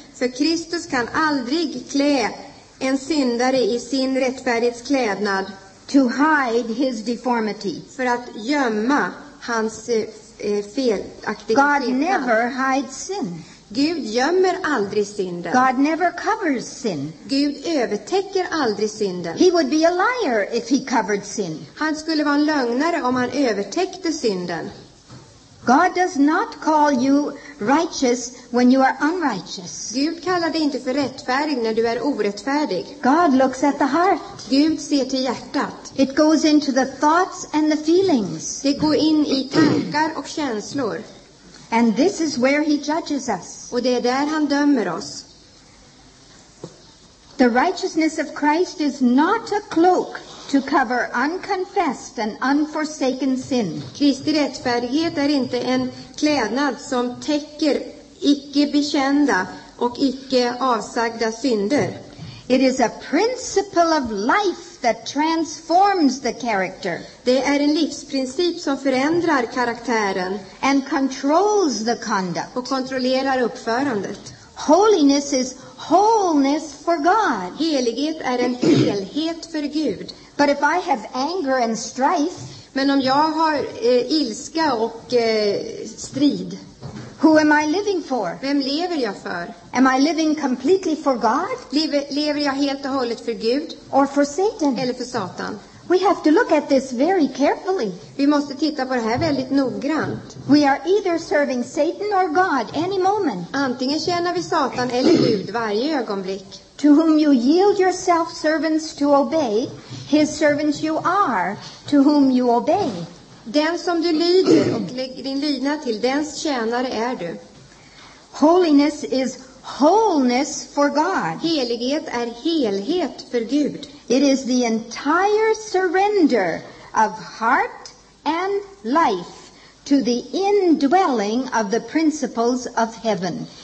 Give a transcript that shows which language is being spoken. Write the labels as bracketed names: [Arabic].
[Swedish] För Kristus kan aldrig klä en syndare i sin rättfärdighetsklädnad, [English] to hide his deformity, [Swedish] för att gömma hans felaktighet. [English] God never hides sin. [Swedish] Gud gömmer aldrig synden. [English] God never covers sin. [Swedish] Gud övertäcker aldrig synden. [English] He would be a liar if he covered sin. [Swedish] Han skulle vara en lögnare om han övertäckte synden. [English] God does not call you righteous when you are unrighteous. [Swedish] Gud kallar dig inte för rättfärdig när du är orättfärdig. [English] God looks at the heart. [Swedish] Gud ser till hjärtat. [English] It goes into the thoughts and the feelings. [Swedish] Det går in i tankar och känslor. [English] And this is where he judges us. [Swedish] Och det är där han dömer oss. [English] The righteousness of Christ is not a cloak to cover unconfessed and unforsaken sin. [Swedish] Kristi rättfärdighet är inte en klädnad som täcker icke bekända och icke avsagda synder. [English] It is a principle of life that transforms the character. [Swedish] Det är en livsprincip som förändrar karaktären. [English] And controls the conduct. [Swedish] Och kontrollerar uppförandet. [English] Holiness is wholeness for God. [Swedish] Helighet är en helhet för Gud. [English] But if I have anger and strife, [Swedish] men om jag har ilska och strid, [English] who am I living for? [Swedish] Vem lever jag för? [English] Am I living completely for God? [Swedish] Lever jag helt och hållet för Gud? [English] Or for Satan? [Swedish] Eller för Satan? [English] We have to look at this very carefully. [Swedish] Vi måste titta på det här väldigt noggrant. [English] We are either serving Satan or God any moment. [Swedish] Antingen tjänar vi Satan eller Gud varje ögonblick. [English] To whom you yield yourself servants to obey, his servants you are, to whom you obey. [Swedish] Den som du lyder och lägger din lydnad till, dens tjänare är du. [English] Holiness is wholeness for God. [Swedish] Helighet är helhet för Gud. [English] It is the entire surrender of heart and life to the indwelling of the principles of heaven.